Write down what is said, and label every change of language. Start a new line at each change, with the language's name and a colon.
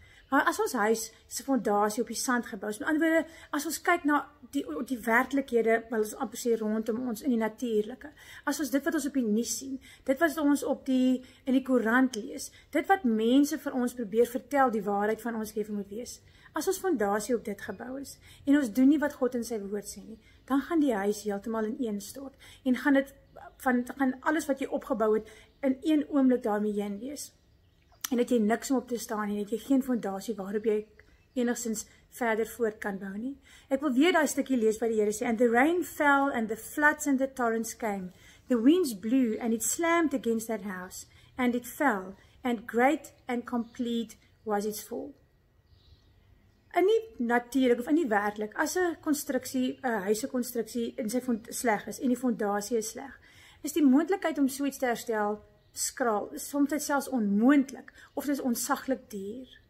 Afrikaans: Maar as ons huis sy fondasie op die sand gebou is, met ander woorde, as ons kyk na die werklikhede, wat ons amper sê rondom ons in die natuurlike, as ons dit wat ons op die nuus sien, dit wat ons in die koerant lees, dit wat mense vir ons probeer vertel, die waarheid van ons lewe moet wees, as ons fondasie op dit gebou is, en ons doen nie wat God in sy woord sê nie, dan gaan die huis heeltemal in een stort, en gaan alles wat jy opgebou het, in een oomblik daarmee heen wees. En dat jy niks om op te staan en dat jy geen fondasie waarop jy enigszins verder voort kan bou nie. Ek wil weer daai stukkie lees wat die Here sê,
English: and the rain fell and the floods and the torrents came. The winds blew and it slammed against that house and it fell and great and complete was its fall.
Afrikaans: In die natuurlik of in die werklik, as 'n konstruksie, 'n huise konstruksie in sy sleg is en die fondasie is sleg, is die moontlikheid om so iets te herstel skraal, soms selfs onmoontlik, of dis ontsaglik duur.